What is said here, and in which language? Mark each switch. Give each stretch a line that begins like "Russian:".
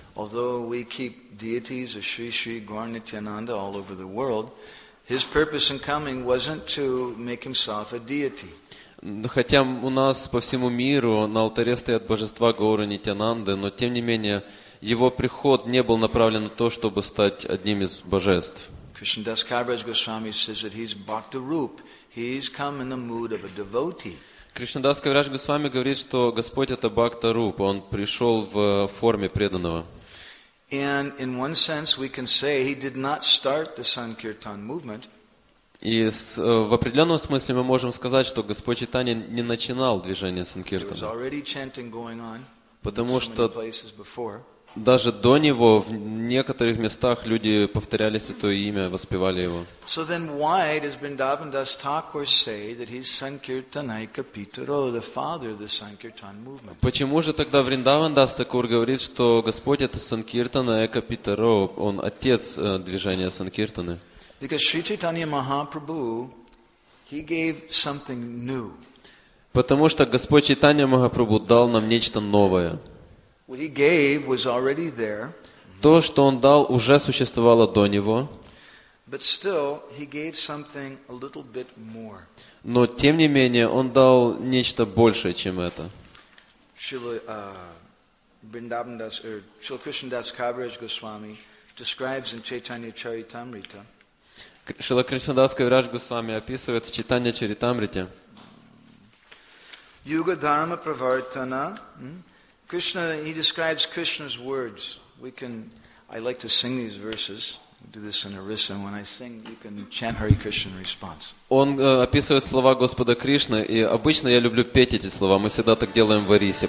English: Although we keep deities of Sri Sri Gaur Nityananda all over the world, His purpose in coming wasn't to make himself a deity.
Russian: Хотя у нас по всему миру на алтаре стоят божества Гоуры Нитянанды, но тем не менее его приход не был направлен на то, чтобы стать одним из божеств.
English: Krishna Das Kaviraj Goswami says that he's Bhakta Roop. He's come in the mood of a devotee.
Russian: Krishna Das Kaviraj Goswami говорит, что Господь это Бхакта Руп, он пришел в форме преданного.
English: And in one sense, we can say he did not start the Sankirtan movement.
Russian: И в определенном смысле мы можем сказать, что Господь Чайтанья не начинал движение Санкиртана.
English: There was already chanting going on.
Russian: Потому что
English: so many places before.
Russian: Даже до него в некоторых местах люди повторяли святое имя, воспевали его.
English: So then, why does Vrindavan Das Thakur say that he's Sankirtanaika Pitaro, the father of the Sankirtan movement?
Russian: Почему же тогда Vrindavan Das Thakur говорит, что Господь это Sankirtanaika Pitaro, он отец движения Санкиртаны?
English: Because Sri Chaitanya Mahaprabhu, he gave something new.
Russian: Потому что Господь Чайтанья Махапрабху дал нам нечто новое.
English: What he gave was already there.
Russian: То, что он дал, уже существовало до него.
English: But still, he gave something a little bit more.
Russian: Но тем не менее, он дал нечто большее, чем это.
English: Srila Krishna Das Kaviraj Goswami describes in Chaitanya Charitamrita.
Russian: Srila Krishna Das Kaviraj Goswami описывает в Чайтанья Чаритамрите.
Sanskrit: Юга дхарма правартана.
English: Krishna, he describes Krishna's words. I like to sing these verses. do this in Orissa, and when I sing, you can chant Hare Krishna in response.
Russian: Он описывает слова Господа Кришны, и обычно я люблю петь эти слова. Мы всегда так делаем в Орисе.